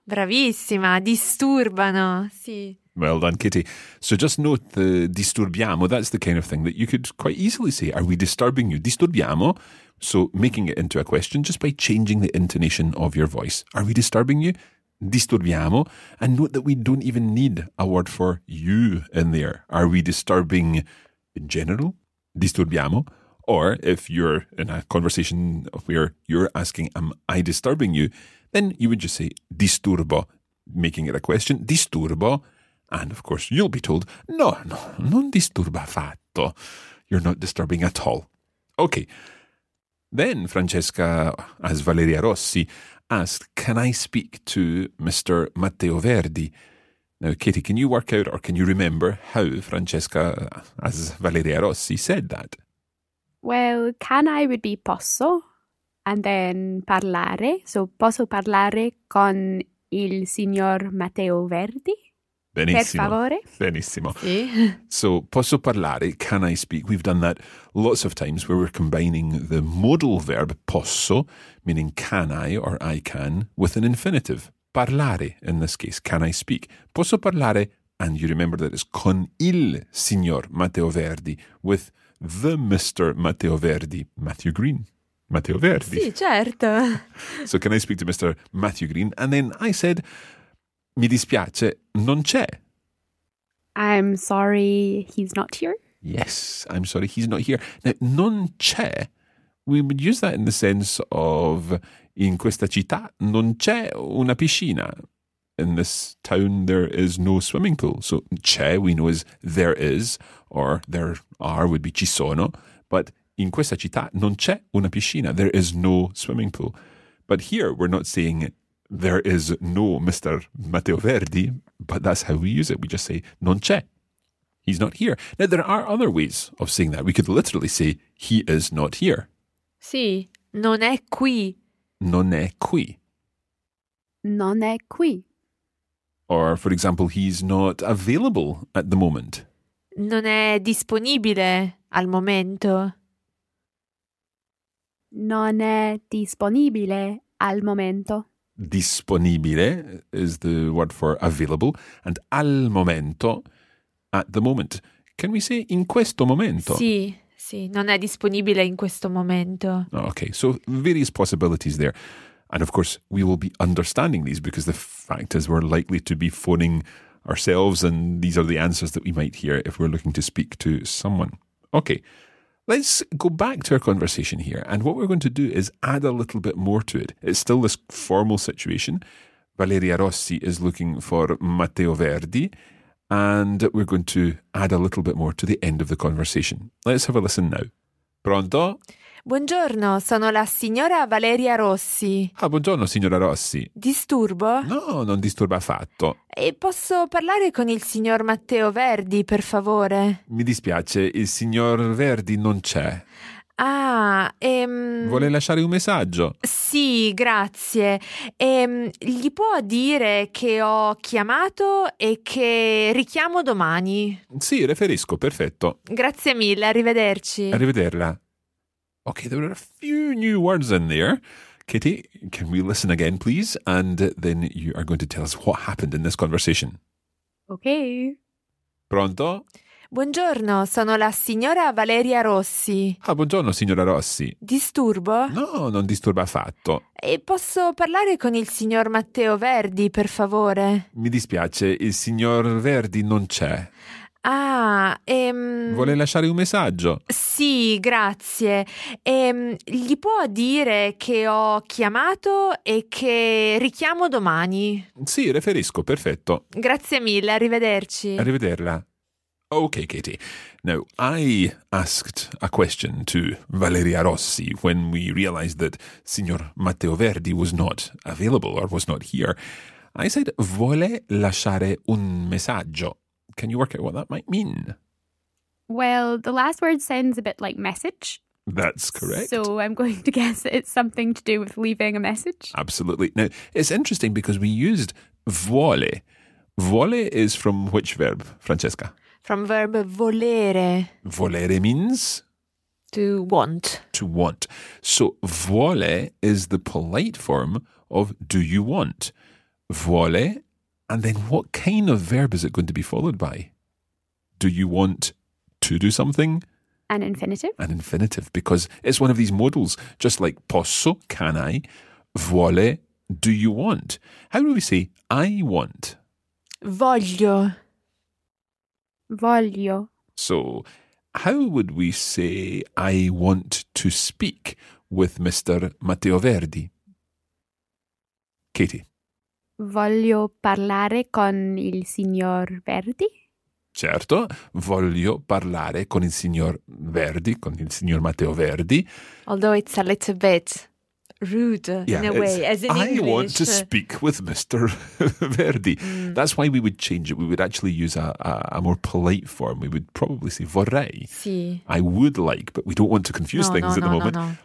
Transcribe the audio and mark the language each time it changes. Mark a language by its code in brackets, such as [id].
[it] Bravissima, disturbano, sì. [en] Well done, Kitty. So just note the disturbiamo, that's the kind of thing that you could quite easily say. Are we disturbing you? Disturbiamo. So making it into a question just by changing the intonation of your voice. Are we disturbing you? Disturbiamo. And note that we don't even need a word for you in there. Are we disturbing in general? Disturbiamo. Or if you're in a conversation where you're asking, am I disturbing you? Then you would just say disturbo, making it a question. Disturbo. And of course, you'll be told, no, no, [it] non disturba affatto. [en] You're not disturbing at all. Okay. Then Francesca, as Valeria Rossi, asked, can I speak to Mr. Matteo Verdi? Now, Katie, can you work out or can you remember how Francesca, as Valeria Rossi, said that? Well, can I would be posso. And then parlare. [it] So posso parlare con il signor Matteo Verdi? Benissimo. Per favore. Benissimo. Sì. [en] So, [it] posso parlare? [en] Can I speak? We've done that lots of times where we're combining the modal verb posso, meaning can I or I can, with an infinitive. Parlare, in this case, can I speak? [it] Posso parlare, [en] and you remember that it's [it] con il signor Matteo Verdi, [en] with the Mr. Matteo Verdi, Matthew Green. Matteo Verdi. [it] Sì, certo. [en] So, can I speak to Mr. Matthew Green? And then I said... [it] Mi dispiace, non c'è. [en] I'm sorry, he's not here. Yes, I'm sorry, he's not here. Now, non c'è, we would use that in the sense of [it] in questa città non c'è una piscina. [en] In this town there is no swimming pool. So c'è, we know, is there is, or there are would be [it] ci sono. But in questa città non c'è una piscina. [en] There is no swimming pool. But here we're not saying there is no Mr. Matteo Verdi, but that's how we use it. We just say, [it] non c'è. [en] He's not here. Now, there are other ways of saying that. We could literally say, he is not here. [it] Sì, non è qui. Non è qui. Non è qui. [en] Or, for example, he's not available at the moment. [it] Non è disponibile al momento. Non è disponibile al momento. [en] Disponibile is the word for available, and al momento, at the moment. Can we say [it] in questo momento? Sì, sì, non è disponibile in questo momento. [en] Okay, so various possibilities there. And of course, we will be understanding these because the fact is we're likely to be phoning ourselves and these are the answers that we might hear if we're looking to speak to someone. Okay, let's go back to our conversation here. And what we're going to do is add a little bit more to it. It's still this formal situation. Valeria Rossi is looking for Matteo Verdi. And we're going to add a little bit more to the end of the conversation. Let's have a listen now. Pronto? [it] Buongiorno, sono la signora Valeria Rossi. Ah, buongiorno, signora Rossi. Disturbo? No, non disturba affatto. E posso parlare con il signor Matteo Verdi, per favore? Mi dispiace, il signor Verdi non c'è. Ah, Vuole lasciare un messaggio? Sì, grazie. Gli può dire che ho chiamato e che richiamo domani? Sì, riferisco, perfetto. Grazie mille, arrivederci. Arrivederla. [en] Okay, there are a few new words in there. Kitty, can we listen again, please? And then you are going to tell us what happened in this conversation. Okay. [it] Pronto? Buongiorno, sono la signora Valeria Rossi. Ah, buongiorno, signora Rossi. Disturbo? No, non disturba affatto. E posso parlare con il signor Matteo Verdi, per favore? Mi dispiace, il signor Verdi non c'è. Ah, Vuole lasciare un messaggio? Sì, grazie. Gli può dire che ho chiamato e che richiamo domani? Sì, riferisco, perfetto. Grazie mille, arrivederci. Arrivederla. [en] Okay, Katie. Now, I asked a question to Valeria Rossi when we realized that Signor Matteo Verdi was not available or was not here. I said, [it] Vuole lasciare un messaggio? [en] Can you work out what that might mean? Well, the last word sounds a bit like message. That's correct. So I'm going to guess it's something to do with leaving a message. Absolutely. Now, it's interesting because we used vuole. Vuole is from which verb, Francesca? From verb volere. Volere means? To want. To want. So vuole is the polite form of do you want. Vuole. And then what kind of verb is it going to be followed by? Do you want to do something? An infinitive. An infinitive, because it's one of these modals, just like posso, can I, vuole, do you want. How do we say I want? [it] Voglio. Voglio. [en] So how would we say I want to speak with Mr. Matteo Verdi? Katie. [it] Voglio parlare con il signor Verdi? Certo, voglio parlare con il signor Verdi, con il signor Matteo Verdi. [en] Although it's a little bit rude, yeah, in a way, as in I English. I want to speak with Mr. Verdi. Mm. That's why we would change it. We would actually use a more polite form. We would probably say vorrei. [it] Sì. [en] I would like, but we don't want to confuse things at the moment. No.